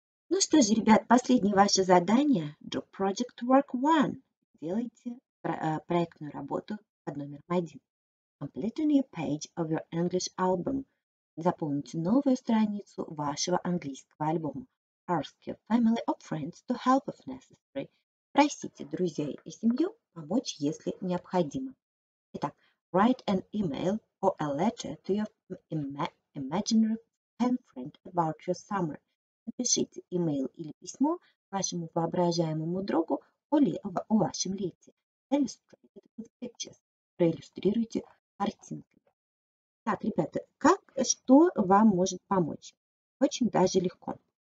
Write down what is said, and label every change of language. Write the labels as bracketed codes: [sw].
[ru] Ну что же, ребят, последнее ваше задание. [en] Do project work one. [ru] Делайте проектную работу под номером один. [en] Complete a new page of your English album. [ru] Заполните новую страницу вашего английского альбома. [en] Ask your family or friends to help if necessary. [ru] Просите друзей и семью помочь, если необходимо. Итак, [en] write an email or a letter to your imaginary pen friend about your summer. [ru] Напишите email или письмо вашему воображаемому другу о вашем лете. [en] Illustrate with pictures. [ru] Проиллюстрируйте картинки. Так, ребята, как, что вам может помочь? Очень даже легко.